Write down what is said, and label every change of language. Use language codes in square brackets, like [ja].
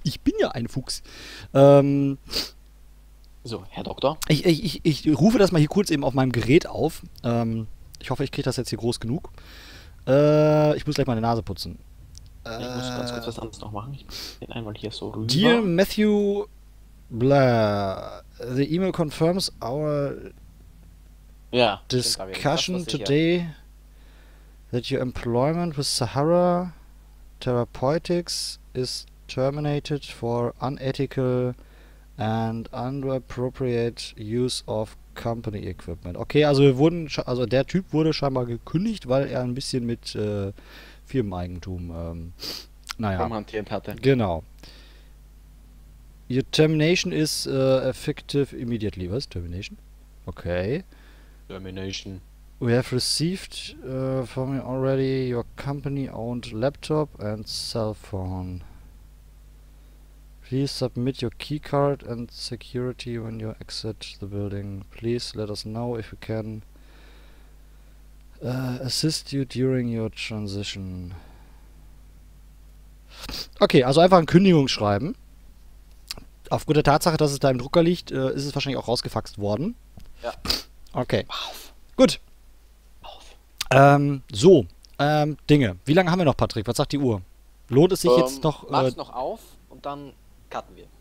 [de] Ich bin ja ein Fuchs. So, Herr Doktor. Ich rufe das mal hier kurz eben auf meinem Gerät auf. Ich hoffe, ich kriege das jetzt hier groß genug. Ich muss gleich meine Nase putzen. Ich muss ganz kurz was anderes noch machen. Ich muss den einmal hier so rüber. [en] Dear Matthew, the email confirms our discussion today. That your employment with Sahara Therapeutics is terminated for unethical and inappropriate use of company equipment. [de] Okay, also der Typ wurde scheinbar gekündigt, weil er ein bisschen mit Firmeneigentum hantiert hatte. Genau. [en] Your termination is effective immediately. [de] Was? [en] Termination? Okay. Termination. We have received from you already your company-owned laptop and cell phone. Please submit your key card and security when you exit the building. Please let us know if we can assist you during your transition. [de] Okay, also einfach ein Kündigungsschreiben. Aufgrund der Tatsache, dass es da im Drucker liegt, ist es wahrscheinlich auch rausgefaxt worden. Ja. Okay. Gut. Dinge. Wie lange haben wir noch, Patrick? Was sagt die Uhr? Lohnt es sich jetzt noch? Mach's noch auf und dann cutten wir.